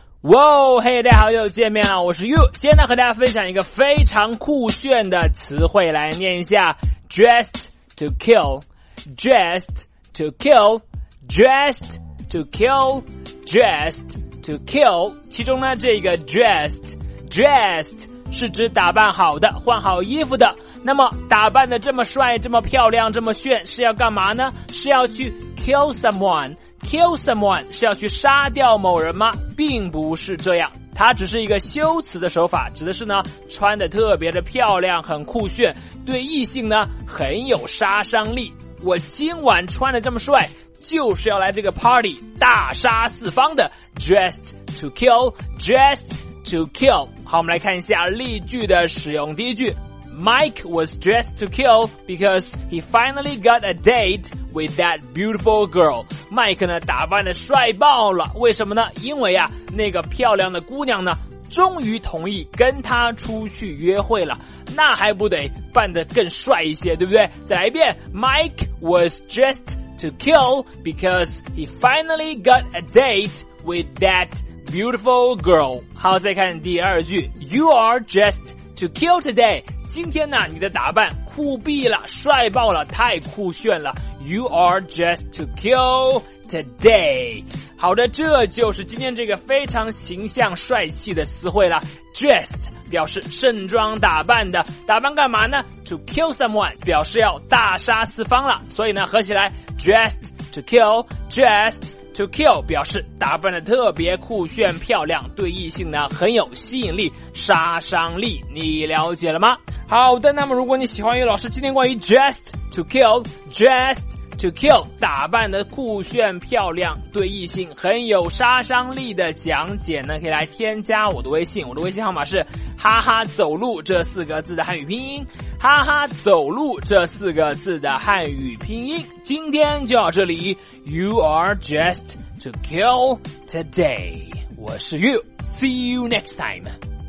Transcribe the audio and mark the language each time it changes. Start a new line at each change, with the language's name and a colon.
Chinese: 哇哦，嘿，大家好，又见面了，我是 You。今天呢，和大家分享一个非常酷炫的词汇，来念一下 ：
English: dressed to kill, dressed to kill,
Chinese: dressed to kill, dressed to kill。其中呢，这个 dressed 是指打扮好的，换好衣服的。那么打扮的这么帅，这么漂亮，这么炫，是要干嘛呢？是要去
English: kill someone。 Kill someone
Chinese: 是要去杀掉某人吗？并不是这样，它只是一个修辞的手法，指的是呢穿得特别的漂亮，很酷炫，对异性呢很有杀伤力。我今晚穿得这么帅，就是要来这个 party 大杀四方的。
English: Dressed to kill, dressed to kill。
Chinese: 好，我们来看一下例句的使用。
English: 第一句， Mike was dressed to kill because he finally got a dateWith that beautiful girl,
Chinese: Mike 呢打扮的帅爆了。为什么呢？因为啊，那个漂亮的姑娘呢，终于同意跟他出去约会了。那还不得扮得更帅一些，对不对？再来一遍
English: ，Mike was dressed to kill because he finally got a date with that beautiful girl。
Chinese: 好，再看第二句
English: ，You are dressed to kill today。
Chinese: 今天呢，你的打扮酷毙了，帅爆了，太酷炫了。
English: You are dressed to kill today。
Chinese: 好的，这就是今天这个非常形象帅气的词汇了。 Dressed 表示盛装打扮的，打扮干嘛呢？
English: To kill someone
Chinese: 表示要大杀四方了。所以呢，合起来
English: Dressed to kill, dressed to kill
Chinese: 表示打扮的特别酷炫漂亮，对异性呢很有吸引力，杀伤力。你了解了吗？好的，那么如果你喜欢于老师今天关于
English: dressed to kill, dressed to kill,
Chinese: 打扮的酷炫漂亮，对异性很有杀伤力的讲解呢，可以来添加我的微信。我的微信号码是哈哈走路这四个字的汉语拼音，哈哈走路这四个字的汉语拼音。今天就到这里，
English: You are dressed to kill today。
Chinese: 我是
English: You, See you next time。